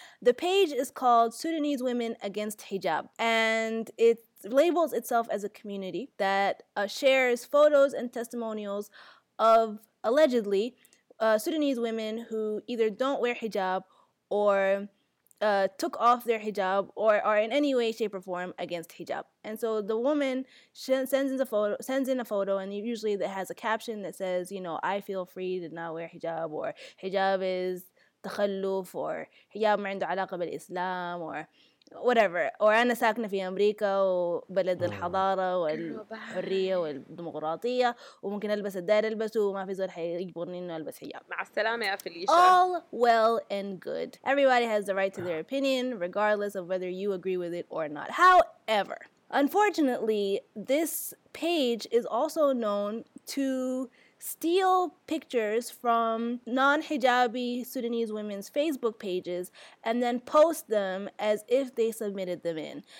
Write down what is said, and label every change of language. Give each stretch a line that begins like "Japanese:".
English: The page is called Sudanese Women Against Hijab, and it labels itself as a community that shares photos and testimonials of allegedly Sudanese women who either don't wear hijab or took off their hijab or are in any way, shape, or form against hijab. And so the woman sends in a photo, and usually that has a caption that says, you know, I feel free to not wear hijab, or hijab is takhalluf, or hijab
Arabic: ما عنده علاقة بالإسلام,
English: or whatever. Or
Arabic: أنا ساكنة في أمريكا وبلد الحضارة والحرية والديمقراطية وممكن ألبس الدائرة ألبسه وما في زول حيجبرني إنه ألبس حجاب. مع السلامة يا فليشا.
English: All well and good. Everybody has the right to their opinion regardless of whether you agree with it or not. However, unfortunately, this page is also known to steal pictures from non-hijabi Sudanese women's Facebook pages and then post them as if they submitted them in.